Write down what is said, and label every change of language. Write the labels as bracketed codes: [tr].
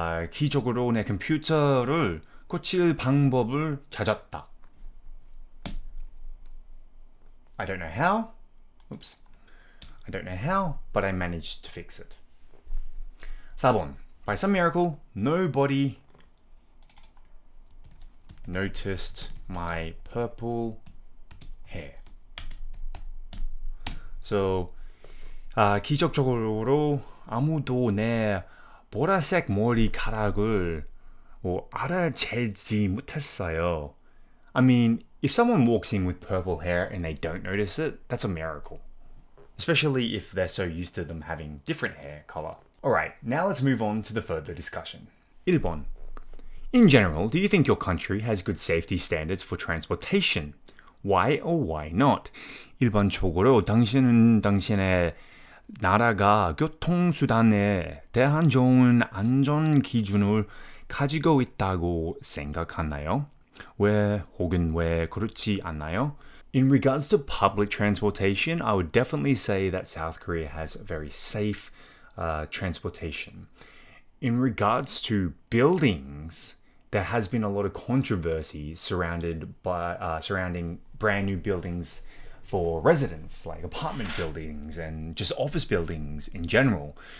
[ko] 기적으로 내 컴퓨터를 고칠 방법을 찾았다. [en] I don't know how. Oops. I don't know how, but I managed to fix it. 4번. By some miracle, nobody noticed my purple hair. [ko] So, 기적적으로 아무도 내 보라색 머리카락을 알아채지 못했어요. [en] I mean, if someone walks in with purple hair and they don't notice it, that's a miracle. Especially if they're so used to them having different hair color. Alright, now let's move on to the further discussion. [ko] 1번. [en] In general, do you think your country has good safety standards for transportation? Why or why not? [ko] 일반적으로 당신은 당신의 나라가 교통수단에 대한 좋은 안전 기준을 가지고 있다고 생각하나요? 왜 혹은 왜 그렇지 않나요? [en] In regards to public transportation, I would definitely say that South Korea has a very safe transportation. In regards to buildings, there has been a lot of controversy surrounding brand new buildings for residents, like apartment buildings and just office buildings in general.